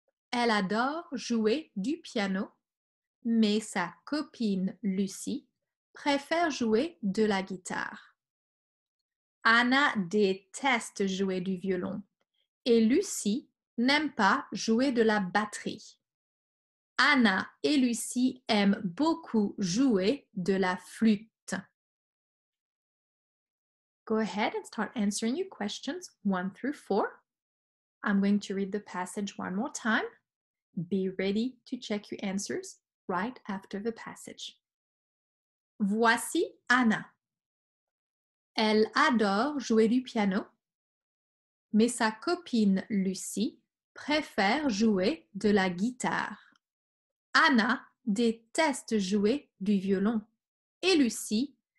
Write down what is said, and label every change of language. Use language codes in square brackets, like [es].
[fr] Elle adore jouer du piano, mais sa copine Lucie préfère jouer de la guitare. Anna déteste jouer du violon et Lucie n'aime pas jouer de la batterie. Anna et Lucie aiment beaucoup jouer de la flûte. [en] Go ahead and start answering your questions 1 through 4. I'm going to read the passage one more time. Be ready to check your answers right after the passage. [fr] Voici Anna. Elle adore jouer du piano, mais sa copine Lucie préfère jouer de la guitare. Anna déteste jouer du violon et Lucie